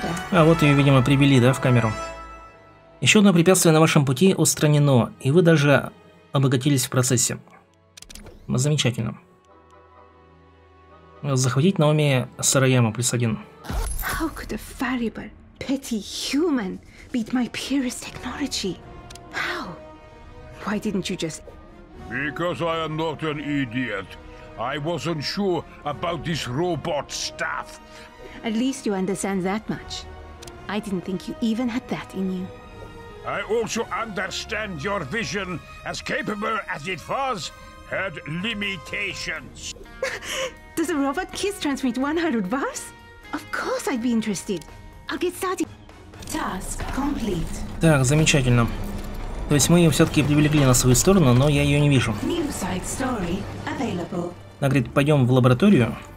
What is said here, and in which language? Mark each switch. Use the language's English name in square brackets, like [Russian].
[Russian] А вот ее, видимо, прибили, да, в камеру. Еще одно препятствие на вашем пути устранено, и вы даже обогатились в процессе. Замечательно. Захватить Наоми Сараяму плюс один. [English] How could a fallible, petty human beat my purest technology? How? Why didn't you just... Because I am not an idiot. I wasn't sure about this robot stuff. At least you understand that much. I didn't think you even had that in you. I also understand your vision, as capable as it was, had limitations. Does a robot kiss transmit 100 bars? Of course I'd be interested. I'll get started. Task complete. [Russian] Так, замечательно. То есть мы ее все-таки привлекли на свою сторону, но я ее не вижу. [English] New side story available. [Russian] Она говорит, пойдем в лабораторию.